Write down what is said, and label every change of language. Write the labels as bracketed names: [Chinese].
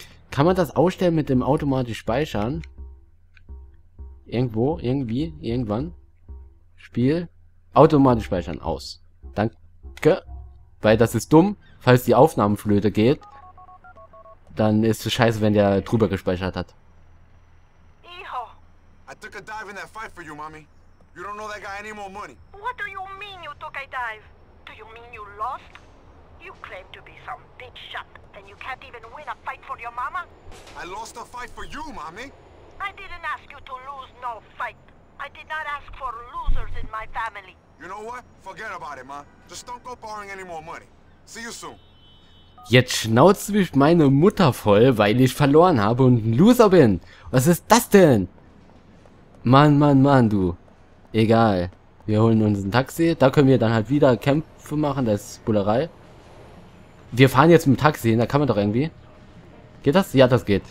[German] Kann man das ausstellen mit dem automatisch Speichern? Irgendwo, irgendwie, irgendwann. Spiel. Automatisch speichern. Aus. Danke. Weil das ist dumm. Falls die Aufnahmenflöte geht, dann ist es scheiße, wenn der drüber gespeichert hat. [English] I took a dive in that fight for you, mommy. You don't know that guy any more money. What do you mean you took a dive? Do you mean you lost? You claim to be some big shot, and you can't even win a fight for your mama? I lost a fight for you, mommy. I didn't ask you to lose no fight. I did not ask for losers in my family. You know what? Forget about it, ma. Just don't go borrowing any more money. See you soon. [German] Jetzt schnauzt mich meine Mutter voll, weil ich verloren habe und ein Loser bin. Was ist das denn? Mann, Mann, Mann, du. Egal. Wir holen uns ein Taxi. Da können wir dann halt wieder Kämpfe machen. Das ist Bullerei. Wir fahren jetzt mit dem Taxi hin. Da kann man doch irgendwie. Geht das? Ja, das geht.